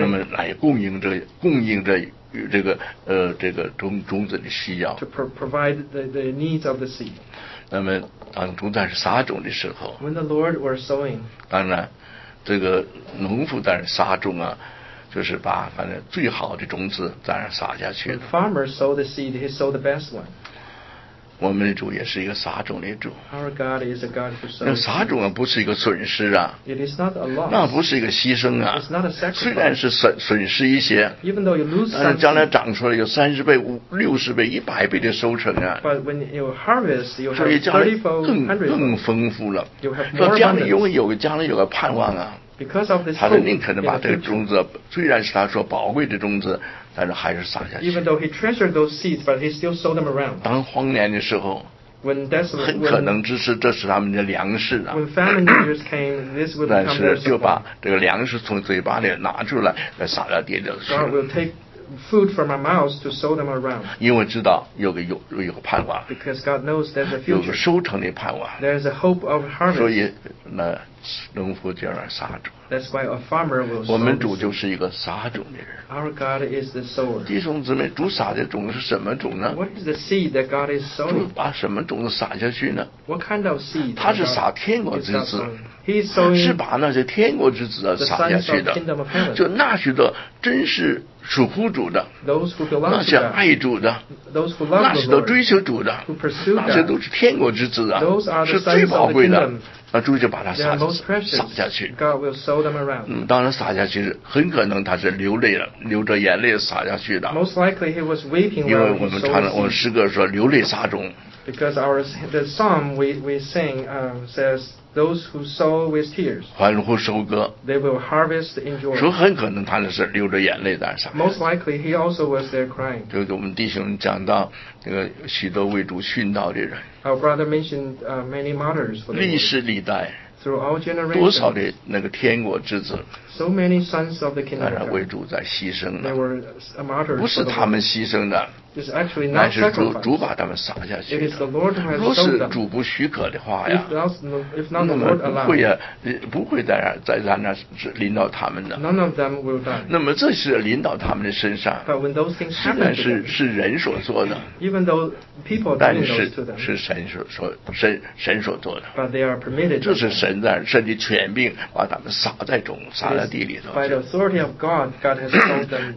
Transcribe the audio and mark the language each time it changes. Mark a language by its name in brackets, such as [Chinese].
[Chinese] 那么来供应这这个这个种子的需要 [English] to provide the needs of the seed. [Chinese] 那么当种子撒种的时候 [English] when the Lord was sowing, [Chinese] 当然这个农夫在撒种啊就是把反正最好的种子在那撒下去。 [English] The farmer sowed the seed, he sowed the best one. [Chinese] 我们的主也是一个撒种的主。 [English] Our God is a God who sows. [Chinese] 那撒种啊，不是一个损失啊。 [English] It is not a loss. [Chinese] 那不是一个牺牲啊。 [English] It's not a sacrifice. [Chinese] 虽然是损失一些。 [English] Even though you lose some. [Chinese] 但是将来长出来有30倍、60倍、100倍的收成啊。 [English] But when you harvest, you have 30-fold, [Chinese] 更丰富了。 [English] You have more. [Chinese] 将来因为有将来有个盼望啊。 [English] Because of this, [Chinese] 他宁可能把这个种子，虽然是他说宝贵的种子，但是还是撒下去。 [English] Even though he treasured those seeds, but he still sowed them around. [Chinese] 当荒年的时候 [English] ，when desolate, [Chinese] 很可能这是他们的粮食啊。 [English] When famine years came, this would become their supply. [Chinese] 但是就把这个粮食从嘴巴里拿出来，再撒到地里去。 [English] God will take food from our mouths to sow them around. [Chinese] 因为知道有个盼望。 [English] Because God knows there's a future. [Chinese] 有个收成的盼望。 [English] There's a hope of harvest. [Chinese] 所以那。农夫就要撒种。 [English] That's why a farmer will sow. [Chinese] 我们主就是一个撒种的人。 [English] Our God is the sower. [Chinese] 弟兄姊妹，主撒的种是什么种呢 [English] ？What is the seed that God is sowing？ [Chinese] 主把什么种子撒下去呢 [English] ？What kind of seed？ [Chinese] 他是撒天国之子。 [English] He is sowing. [Chinese] 是把那些天国之子撒下去的。就那许多真是属乎主的。 [English] Those who belong to God. [Chinese] 那些爱主的。 [English] Those who love the Lord. [Chinese] 那些都追求主的。 [English] Who pursue God. [Chinese] 那些都是天国之子啊。 [English] Those are the sons of the kingdom. [Chinese] 是最宝贵的。那猪就把它撒下去。 [English] God will sow them around. [Chinese] 嗯，当然撒下去很可能他是流泪了，流着眼泪撒下去的。 [English] Most likely he was weeping. [Chinese] 因为我们唱了，我们诗歌说流泪撒种。 [English] Because the psalm we sing says those who sow with tears. [Chinese] 欢呼收割。 [English] They will harvest in joy. [Chinese] 说很可能他那是流着眼泪在撒。 [English] Most likely he also was there crying. [Chinese] 就我们弟兄讲到那个许多为主殉道的人。 [English] Our brother mentioned many martyrs for the Lord. [Chinese] 历史历代 [English] through all generations, [Chinese] 多少的那个天国之子 [English] so many sons of the kingdom, [Chinese] 当然为主在牺牲了 [English] they were a martyr, [Chinese] 不是他们牺牲的 [English] it's actually not sacrifice, [Chinese] 乃是主把他们撒下去 [English] it is the Lord who has sold them. [Chinese] 若是主不许可的话呀 [English] if not the Lord allows, [Chinese] 那么不会在他那临到他们的 [English] none of them will die. [Chinese] 那么这是临到他们的身上 [English] but when those things happen, [Chinese] 虽然是人所做的 [English] even though people doing those to them, [Chinese] 是神所做的 [English] but they are permitted. [Chinese] 这是神在神的权柄把他们撒在种撒在地里头 [English] by the authority of God, God has sown them.